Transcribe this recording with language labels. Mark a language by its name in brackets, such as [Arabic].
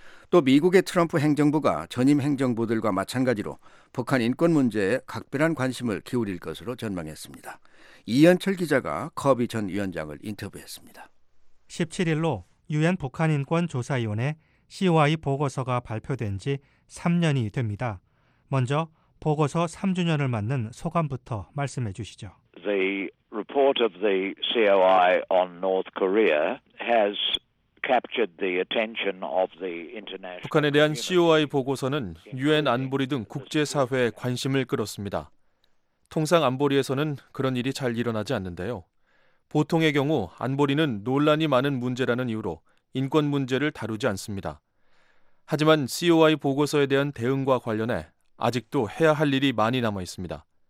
[Korean] 또 미국의 트럼프 행정부가 전임 행정부들과 마찬가지로 북한 인권 문제에 각별한 관심을 기울일 것으로 전망했습니다. 이현철 기자가 커비 전 위원장을 인터뷰했습니다. 17일로 유엔 북한인권조사위원회 COI 보고서가 발표된 지 3년이 됩니다. 먼저 보고서 3주년을 맞는 소감부터 말씀해 주시죠. [English] The report of the COI on North Korea has captured the attention of the international. [Korean] 북한에 대한 COI 보고서는 유엔 안보리 등 국제사회의 관심을 끌었습니다. 통상 안보리에서는 그런 일이 잘 일어나지 않는데요. 보통의 경우 안보리는 논란이 많은 문제라는 이유로 인권 문제를 다루지 않습니다. 하지만 COI 보고서에 대한 대응과 관련해 아직도 해야 할 일이 많이 남아 있습니다.